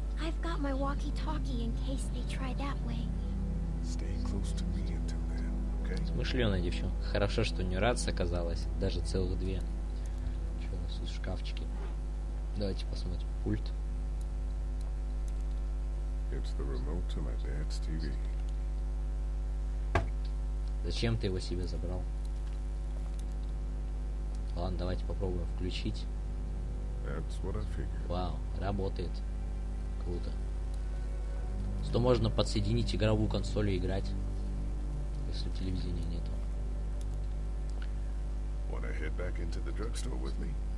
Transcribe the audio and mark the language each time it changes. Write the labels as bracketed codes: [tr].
[en] I've got my walkie-talkie in case they try that way. Stay close to me until then, okay? [ru] Смышленая девчонка. Хорошо, что у нее рация оказалась. Даже целых две. Что у нас тут в шкафчике? Давайте посмотрим пульт. [en] It's the remote to my dad's TV. [ru] Зачем ты его себе забрал? Ладно, давайте попробуем включить. [en] That's what I figured. [ru] Вау, работает. Круто. Что можно подсоединить игровую консоль и играть, если телевидения нету. [en] Wanna head back into the drugstore with me?